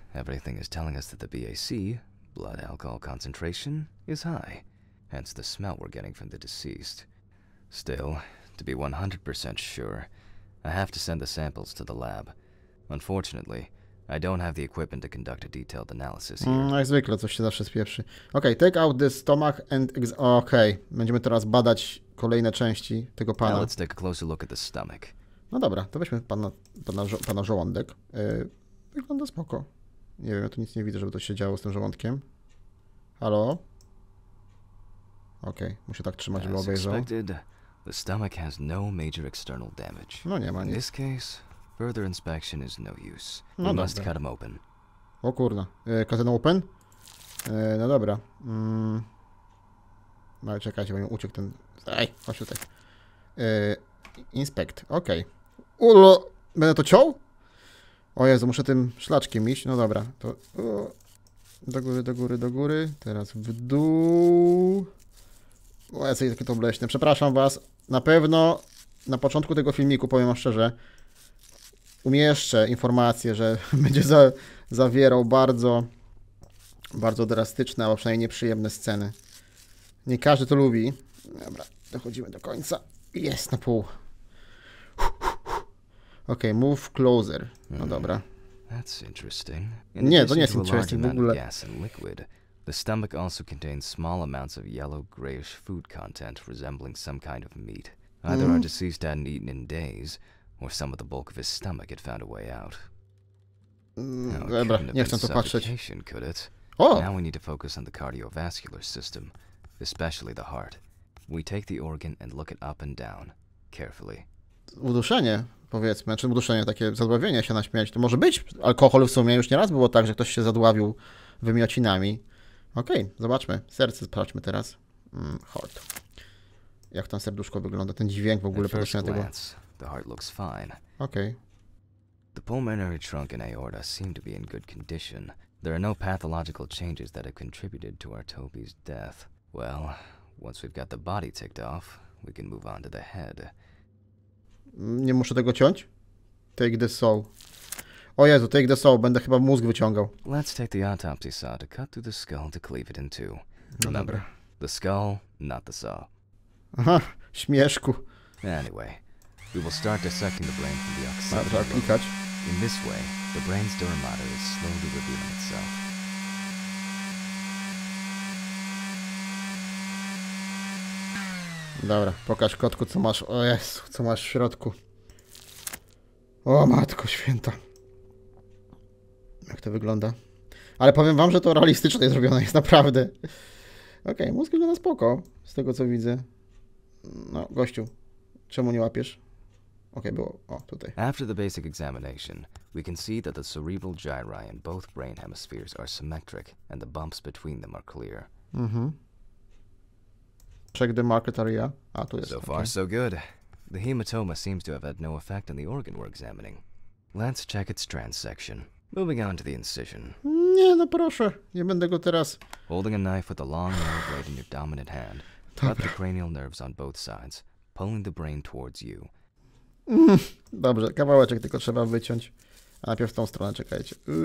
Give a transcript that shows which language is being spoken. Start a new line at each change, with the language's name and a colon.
English: Everything is telling us that the BAC, blood alcohol concentration, is high. Hence the smell we're getting from the deceased. Still, to be 100% sure, I have to send the samples to the lab. Unfortunately, I don't have the equipment to conduct a detailed analysis here.
Polish: Jak zwykle, coś się zawsze spieszy. Okej, okay,
English: take out the stomach and
Polish: okej. Będziemy teraz badać kolejne części tego pana.
English: Now let's take a closer look at the stomach.
Polish: No dobra, to weźmy pana żołądek. Wygląda spoko. Nie wiem, ja tu nic nie widzę, żeby to się działo z tym żołądkiem. Halo? Okej, okay, muszę tak trzymać, żeby obejrzał.
English: The stomach has no major external damage.
Polish: No nie ma nic.
English: In this case, further inspection is no use. We no must cut him open.
Polish: O kurna.
English: Cut him open?
Polish: No dobra. No czekajcie, bo mi uciekł ten... Ej, chodź tutaj. Inspect, okej. Okay. Ulo! Będę to ciął? O Jezu, muszę tym szlaczkiem iść. No dobra, to... Do góry, do góry, do góry. Teraz w dół. O, ja jest takie to obleśne. Przepraszam was. Na pewno na początku tego filmiku, powiem wam szczerze, umieszczę informację, że będzie zawierał bardzo, bardzo drastyczne, albo przynajmniej nieprzyjemne sceny. Nie każdy to lubi. Dobra, dochodzimy do końca. Jest, na pół.
English: Ok, move closer.
Polish: No dobra.
English: That's interesting.
Polish: Nie, to nie jest interesting w ogóle.
English: The stomach also contains small amounts of yellow-grayish food content resembling some kind of meat. Either our deceased hadn't eaten in days, or some of the bulk of his stomach had found a way out.
Polish: Dobra, nie chcę to patrzeć.
English: Could it? Now we need to focus on the cardiovascular system, especially the heart. We take the organ and look it up and down, carefully.
Polish: Uduszenie, powiedzmy, czy uduszenie, takie zadławienie się na śmierć, to może być alkohol w sumie, już nieraz było tak, że ktoś się zadławił wymiocinami. Okej, okay, zobaczmy. Serce sprawdźmy teraz. Heart. Jak tam serduszko wygląda? Ten dźwięk w ogóle poruszenia tego.
English: The heart looks fine.
Polish: Okej. Okay.
English: The pulmonary trunk and aorta seem to be in good condition. There are no pathological changes that have contributed to our Toby's death. Well, once we've got the body ticked off, we can move on to the head.
Polish: Nie muszę tego ciąć?
English: Take the soul.
Polish: O Jezu,
English: take the soul,
Polish: będę chyba mózg wyciągał.
English: Let's take the autopsy saw to cut through the skull to cleave it in two. Remember, the skull, not the saw.
Polish: Aha, śmieszku.
English: Anyway, we will start dissecting the brain from the occipital.
Polish: Dobra, klikać.
English: In this way, the brain's dura mater is slowly revealing itself.
Polish: Dobra, pokaż kotku, co masz, o Jezu, co masz w środku. O Matko Święta. Jak to wygląda. Ale powiem wam, że to realistycznie zrobione jest, naprawdę. Okej, okay, mózg wygląda spoko, z tego co widzę. No, gościu, czemu nie łapiesz? Okej, okay, było. O, tutaj.
English: After the basic examination, we can see that the cerebral gyri in both brain hemispheres are symmetric and the bumps between them are clear. Mhm. Check the market area.
Polish: A, tu jest.
English: So far, okay. So good. The hematoma seems to have had no effect on the organ we're examining. Let's check its transection. Moving on to the incision.
Polish: Nie, no proszę, nie będę go teraz.
English: Holding a knife with a long narrow blade in your dominant hand, cut the cranial nerves on both sides, pulling the brain towards you.
Polish: Dobrze, kawałeczek tylko trzeba wyciąć. A najpierw w tą stronę, czekajcie.